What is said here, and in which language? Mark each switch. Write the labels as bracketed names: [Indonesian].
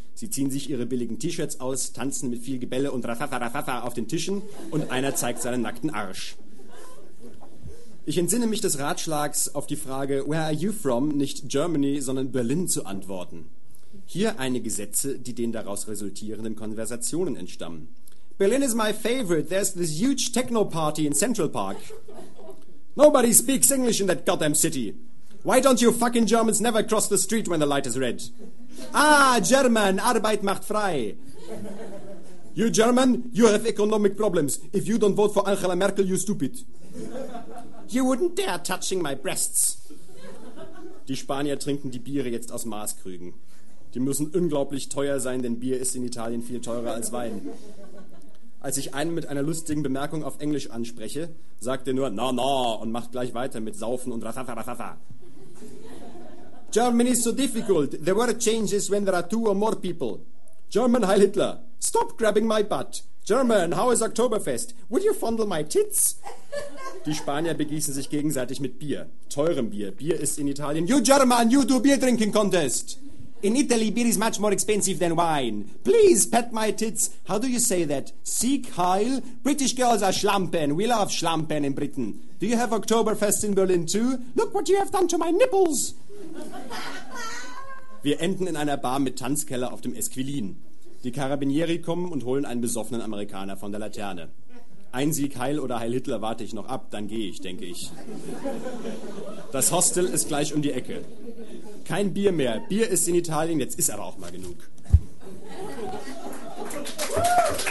[German] Sie ziehen sich ihre billigen T-Shirts aus, tanzen mit viel Gebälle und Rafafarafafa auf den Tischen und einer zeigt seinen nackten Arsch. Ich entsinne mich des Ratschlags, auf die Frage [English] Where are you from? [German] Nicht Germany, sondern Berlin zu antworten. Hier einige Sätze, die den daraus resultierenden Konversationen entstammen. [English] Berlin is my favorite. There's this huge techno party in Central Park. Nobody speaks English in that goddamn city. Why don't you fucking Germans never cross the street when the light is red? Ah, German, [German] Arbeit macht frei. [English] You German, you have economic problems. If you don't vote for Angela Merkel, you stupid. You wouldn't dare touching my breasts. [German] Die Spanier trinken die Biere jetzt aus Maßkrügen. Die müssen unglaublich teuer sein, denn Bier ist in Italien viel teurer als Wein. Als ich einen mit einer lustigen Bemerkung auf Englisch anspreche, sagt er nur na na und macht gleich weiter mit Saufen und rafafafafa. [English] Germany is so difficult. The word changes when there are 2 or more people. German [German] Heil Hitler. [English] Stop grabbing my butt. German, how is Oktoberfest? Would you fondle my tits? Die Spanier begießen sich gegenseitig mit Bier. Teurem Bier. Bier ist in Italien. You German, you do beer drinking contest. In Italy, beer is much more expensive than wine. Please pat my tits. How do you say that? [German] Sieg Heil? [English] British girls are schlampen. We love schlampen in Britain. Do you have Oktoberfest in Berlin too? Look what you have done to my nipples. [German] Wir enden in einer Bar mit Tanzkeller auf dem Esquilin. Die Carabinieri kommen und holen einen besoffenen Amerikaner von der Laterne. Ein Sieg Heil oder Heil Hitler warte ich noch ab, dann gehe ich, denke ich. Das Hostel ist gleich um die Ecke. Kein Bier mehr. Bier ist in Italien, jetzt ist aber auch mal genug.